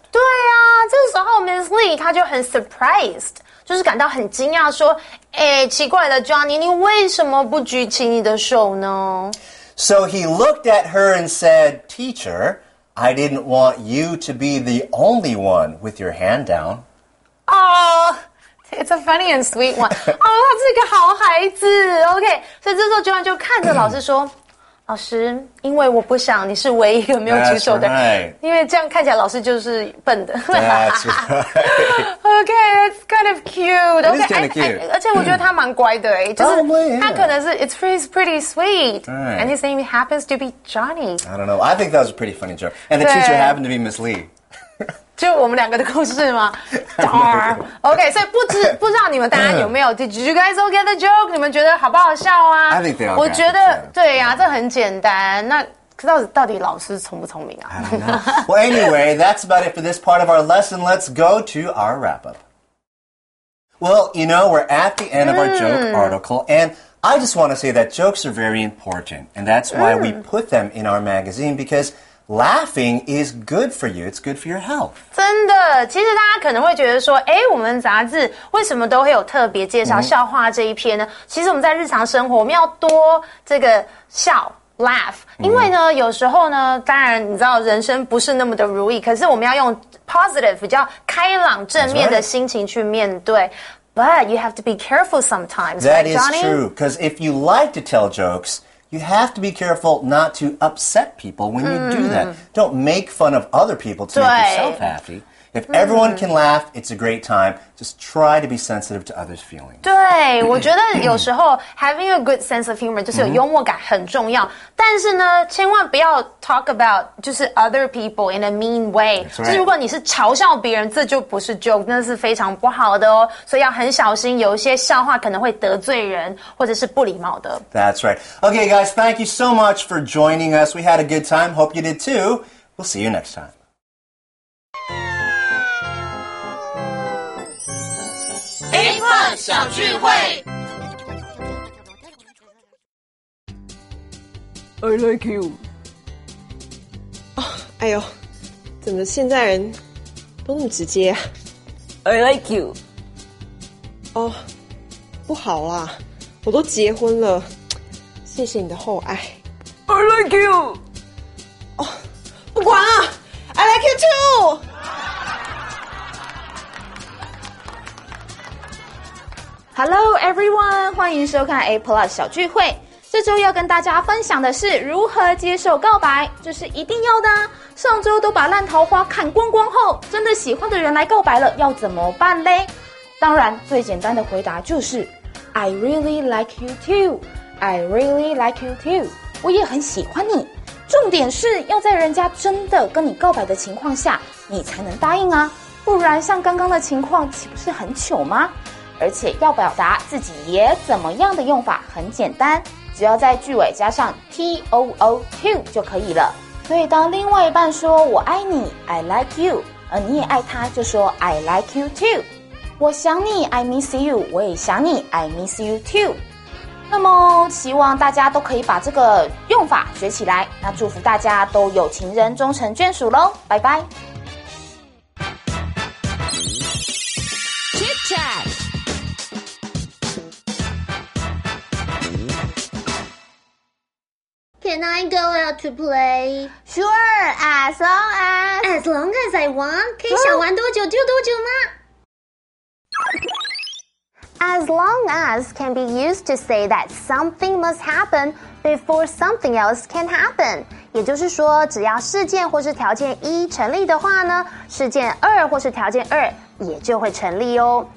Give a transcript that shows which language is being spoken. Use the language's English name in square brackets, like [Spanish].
[Chinese] 对啊，这个时候 Miss Lee 她就很 surprised， 就是感到很惊讶，说：“哎，奇怪了 ，Johnny， 你为什么不举起你的手呢？” [English] So he looked at her and said, "Teacher, I didn't want you to be the only one with your hand down." Ah. It's a funny and sweet one. [Chinese] 哦，他是一个好孩子。 OK， 所以这时候 Johnny 就看着老师说。老师，因为我不想你是唯一一个没有举手的、 [English] right. [Chinese] 因为这样看起来老师就是笨的。 [English] That's right. Okay, that's kind of cute. Okay, kind of cute. [Chinese] 而且我觉得他蛮乖的、欸、就是他可能是 [English] yeah. It's pretty sweet.、 Right. And his name happens to be Johnny. I don't know. I think that was a pretty funny joke. And the teacher happened to be Miss Lee. [Chinese] 就我们两个的故事吗 Okay, 所以不知道你们大家有没有 [English] Did you guys all get the joke? [Chinese] 你们觉得好不好笑啊 [English] I think they all [Chinese] 我觉得对呀、啊、这很简单那到底老师聪不聪明啊 [English] I don't know. Well anyway, that's about it for this part of our lesson. Let's go to our wrap up. Well, you know, we're at the end of our joke article and I just want to say that jokes are very important and that's why we put them in our magazine becauselaughing is good for you. It's good for your health. [Chinese] 真的，其实大家可能会觉得说，哎，我们杂志为什么都会有特别介绍笑话这一篇呢？其实我们在日常生活，我们要多这个笑 laugh， 因为呢，有时候呢，当然你知道人生不是那么的如意，可是我们要用 positive 比较开朗正面的心情去面对。 [English] But you have to be careful sometimes. That is true. Because if you like to tell jokes. You have to be careful not to upset people when you do that. Don't make fun of other people to make yourself happy. If everyone can laugh, it's a great time. Just try to be sensitive to others' feelings. [Chinese] 对，我觉得有时候 [English] having a good sense of humor [Chinese] 就是有幽默感很重要。但是呢，千万不要 [English] talk about [Chinese] 就是 [English] other people in a mean way. That's right. [Chinese] 就是如果你是嘲笑别人，这就不是 joke， 那是非常不好的哦。所以要很小心，有一些笑话可能会得罪人，或者是不礼貌的。 [English] That's right. Okay, guys, thank you so much for joining us. We had a good time. Hope you did too. We'll see you next time. I like you. [Chinese] 哎呦，怎么现在人都那么直接 [English] 啊？ I like you. [Chinese] 哦，不好啦，我都结婚了，谢谢你的厚爱。 [English] I like you. [Chinese] 哦，不管了， [English] I like you too. Hello, everyone! [Chinese] 欢迎收看 A Plus 小聚会。这周要跟大家分享的是如何接受告白，这是一定要的啊。上周都把烂桃花砍光光后，真的喜欢的人来告白了，要怎么办嘞？当然，最简单的回答就是 [English] I really like you too. I really like you too. [Chinese] 我也很喜欢你。重点是要在人家真的跟你告白的情况下，你才能答应啊。不然像刚刚的情况，岂不是很糗吗？而且要表达自己也怎么样的用法很简单，只要在句尾加上 too 就可以了。所以当另外一半说我爱你 [English] I like you， [Chinese] 而你也爱他，就说 [English] I like you too。 [Chinese] 我想你 [English] I miss you， [Chinese] 我也想你 [English] I miss you too。 [Chinese] 那么希望大家都可以把这个用法学起来，那祝福大家都有情人终成眷属咯，拜拜。 [English] Can I go out to play? Sure, as long as... As long as I want? [Chinese] 可以想玩多久就多久吗? [English] As long as can be used to say that something must happen before something else can happen. [Chinese] 也就是说只要事件或是条件一成立的话呢，事件二或是条件二也就会成立哦。